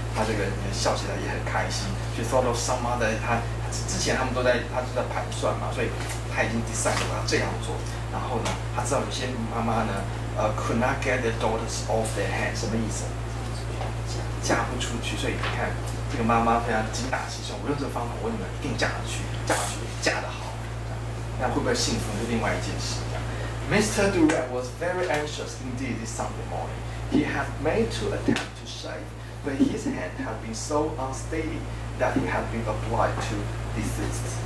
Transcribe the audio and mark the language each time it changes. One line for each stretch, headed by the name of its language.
Chinese: 他这个笑起来也很开心。
English: She thought of some mothers.
Chinese: 他之前他们都在他就在盘算嘛，所以他已经 decide 了这样做。然后呢，他知道有些妈妈呢。
English: Could not get the daughters off their hands.
Chinese: 什么意思？嫁不出去。所以你看，这个妈妈非常精打细算。我用这个方法，我女儿一定嫁得出去，嫁得好。那会不会幸福是另外一件事。
English: Mr. Durant was very anxious indeed this Sunday morning. He had made two attempts to shave, but his hand had been so unsteady that he had been obliged to desist.